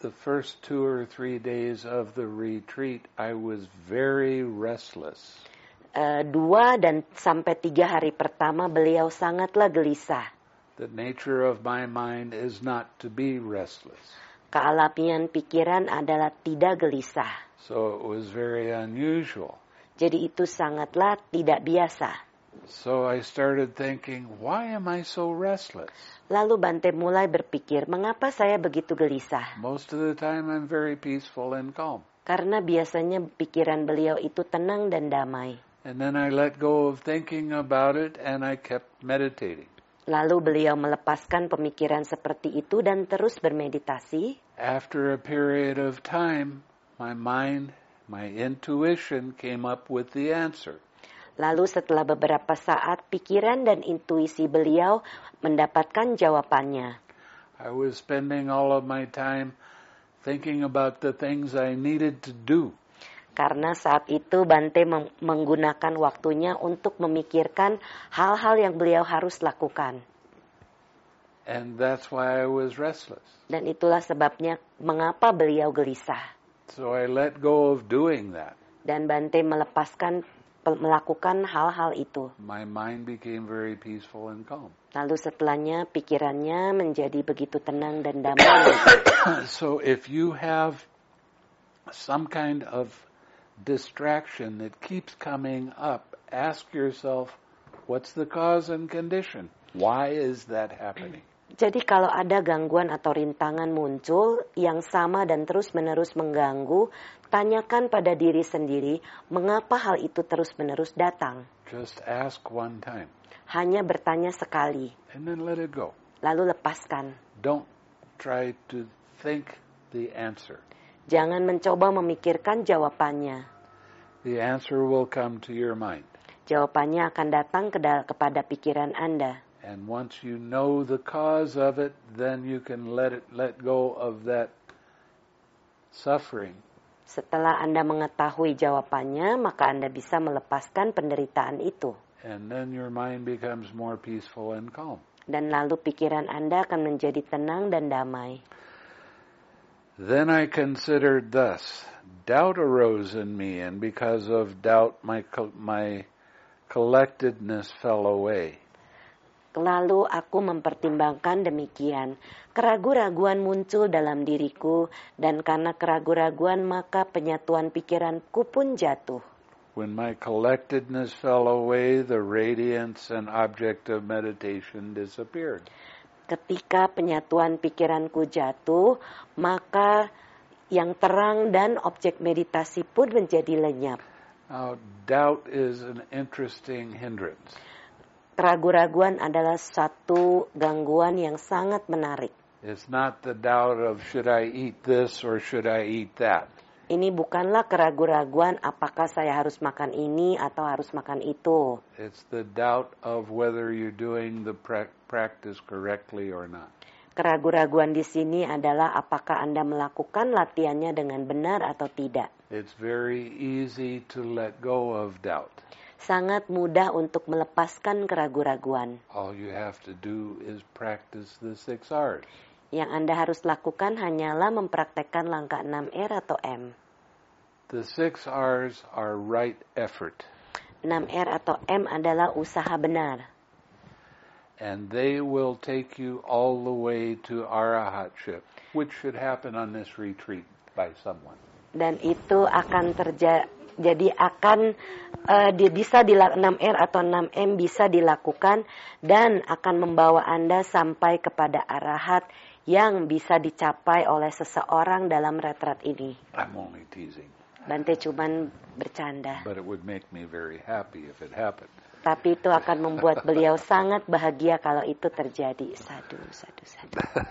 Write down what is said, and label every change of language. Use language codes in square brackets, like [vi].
[en] The first two or three days of the retreat, I was very restless. [id] Dua dan sampai tiga hari pertama beliau sangatlah gelisah. [en] The nature of my mind is not to be restless. [id] Kealamian pikiran adalah tidak gelisah. [en] So it was very unusual. [id] Jadi itu sangatlah tidak biasa. [en] So I started thinking, why am I so restless? [id] Lalu Bante mulai berpikir, mengapa saya begitu gelisah? [en] Most of the time I'm very peaceful and calm. [id] Karena biasanya pikiran beliau itu tenang dan damai. [en] And then I let go of thinking about it and I kept meditating. [id] Lalu beliau melepaskan pemikiran seperti itu dan terus bermeditasi. [en] After a period of time, my mind, my intuition came up with the answer. [id] Lalu setelah beberapa saat, pikiran dan intuisi beliau mendapatkan jawabannya. [en] I was spending all of my time thinking about the things I needed to do. [id] Karena saat itu Bante menggunakan waktunya untuk memikirkan hal-hal yang beliau harus lakukan. [en] And that's why I was restless. [id] Dan itulah sebabnya mengapa beliau gelisah. [en] So I let go of doing that. [id] Dan Bante melakukan hal-hal itu. [en] My mind became very peaceful and calm. [id] Lalu setelahnya pikirannya menjadi begitu tenang dan damai. [en] So if you have some kind of distraction that keeps coming up, ask yourself, what's the cause and condition? Why is that happening? [id] Jadi kalau ada gangguan atau rintangan muncul yang sama dan terus-menerus mengganggu, tanyakan pada diri sendiri mengapa hal itu terus-menerus datang. [en] Just ask one time. [id] Hanya bertanya sekali. [en] And then let it go. [id] Lalu lepaskan. [en] Don't try to think the answer. [id] Jangan mencoba memikirkan jawabannya. [en] The answer will come to your mind. [id] Jawabannya akan datang kepada pikiran Anda. [en] And once you know the cause of it, then you can let go of that suffering. [id] Setelah Anda mengetahui jawabannya, maka Anda bisa melepaskan penderitaan itu. [en] And then your mind becomes more peaceful and calm. [id] Dan lalu pikiran Anda akan menjadi tenang dan damai. [en] Then I considered thus, doubt arose in me, and because of doubt my collectedness fell away. [id] Lalu aku mempertimbangkan demikian, keraguan-raguan muncul dalam diriku, dan karena keraguan-raguan maka penyatuan pikiranku pun jatuh. [en] When my collectedness fell away, the radiance and object of meditation disappeared. [id] Ketika penyatuan pikiranku jatuh, maka yang terang dan objek meditasi pun menjadi lenyap. [en] Now, doubt is an interesting hindrance. [id] Keraguan-raguan adalah satu gangguan yang sangat menarik. [en] It's not the doubt of should I eat this or should I eat that. [id] Ini bukanlah keraguan-raguan apakah saya harus makan ini atau harus makan itu. [en] It's the doubt of whether you're doing the practice correctly or not. [id] Keraguan-raguan di sini adalah apakah Anda melakukan latihannya dengan benar atau tidak. [en] It's very easy to let go of doubt. [id] Sangat mudah untuk melepaskan keraguan-raguan. [en] All you have to do is practice the 6 R's. [id] Yang Anda harus lakukan hanyalah mempraktekkan langkah 6 R atau M. [en] The 6 R's are right effort. [id] 6 R atau M adalah usaha benar. [en] And they will take you all the way to arahatship, which should happen on this retreat by someone. [id] Dan itu akan terjadi, akan bisa 6 R atau 6 M bisa dilakukan dan akan membawa Anda sampai kepada arahat yang bisa dicapai oleh seseorang dalam retret ini. [en] I'm only teasing. [id] Bante cuman bercanda. [en] But it would make me very happy if it happened. [id] Tapi itu akan membuat beliau sangat bahagia kalau itu terjadi. [pi] Sadu, sadu, sadu.